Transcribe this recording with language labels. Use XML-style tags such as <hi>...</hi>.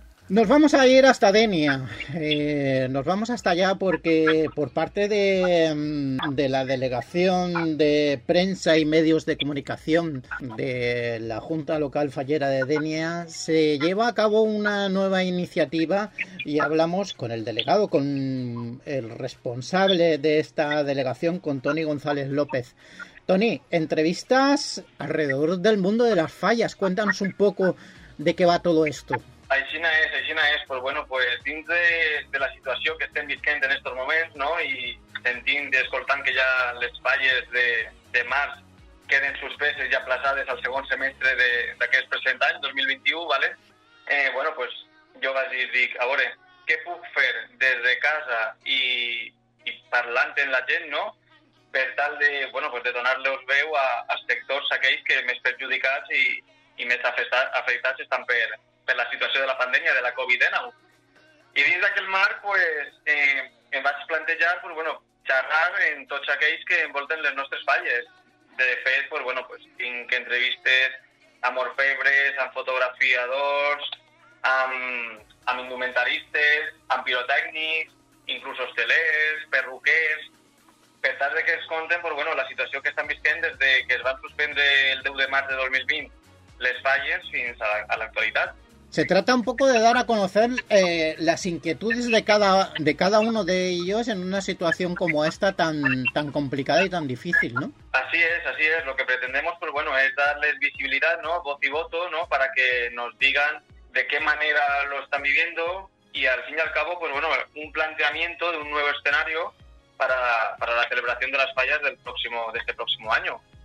<es>Nos vamos a ir hasta Denia, nos vamos hasta allá porque por parte de la Delegación de Prensa y Medios de Comunicación de la Junta Local Fallera de Denia se lleva a cabo una nueva iniciativa y hablamos con el delegado, con el responsable de esta delegación, con Tony González López. Toni, entrevistas alrededor del mundo de las fallas. Cuéntanos un poco de qué va todo esto.</es> <ca>Aixina és. Pues bueno, pues dins de la situació que estem vivint en estos moments, no? I sentint, escoltant que ja les falles de març queden suspeses i aplaçades al segon semestre d'aquest present any, 2021, ¿vale? Bueno, pues jo vaig dir, a veure, què puc fer des de casa i parlant amb la gent, no? Per tal de, bueno, pues de donar-los veu als sectors aquells que més perjudicats i més afectats estan per la situació de la pandèmia, de la Covid-19. I dins d'aquell marc, pues, em vaig plantejar, pues, bueno, xerrar amb tots aquells que envolten les nostres falles. De fet, pues, bueno, pues, tinc entrevistes amb orfebres, amb fotografiadors, amb indumentaristes, amb pirotècnics, inclús hostelers, perruquers... Per tal que es conten, pues, bueno, la situació que estan vivint des de que es van suspendre el 10 de març de 2020 les falles fins a l'actualitat.</ca> <es>Se trata un poco de dar a conocer las inquietudes de cada uno de ellos en una situación como esta tan tan complicada y tan difícil, ¿no? Así es. Lo que pretendemos, pues bueno, es darles visibilidad, ¿no? Voz y voto, ¿no? Para que nos digan de qué manera lo están viviendo y al fin y al cabo, pues bueno, un planteamiento de un nuevo escenario para la celebración de las fallas de este próximo año.</es>